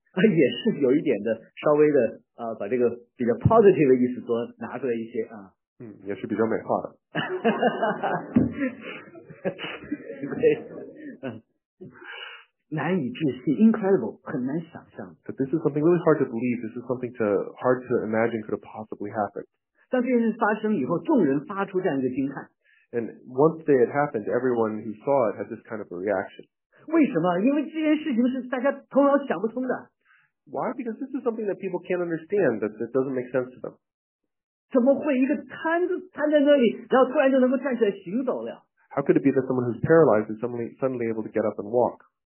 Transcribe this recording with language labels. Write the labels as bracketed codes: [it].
[zh] 也是有一点的，稍微的，把这个比较 positive 的意思多拿出来一些啊。嗯，也是比较美化的。哈哈哈哈哈。对，难以置信 ，incredible， 很难想象。 [en] But this is something really hard to believe. This is something to hard to imagine could have possibly happened. [zh] 当这件事发生以后，众人发出这样一个惊叹。 [en] And once they had happened, everyone who saw it had this kind of a reaction. [zh] 为什么？因为这件事情是大家头脑想不通的。 [en] Why? Because this is something that people can't understand, that it doesn't make sense to them. [zh] 怎么会一个瘫子瘫在那里，然后突然就能够站起来行走了？ [en] How could it be that someone who's paralyzed is suddenly able to get up and walk?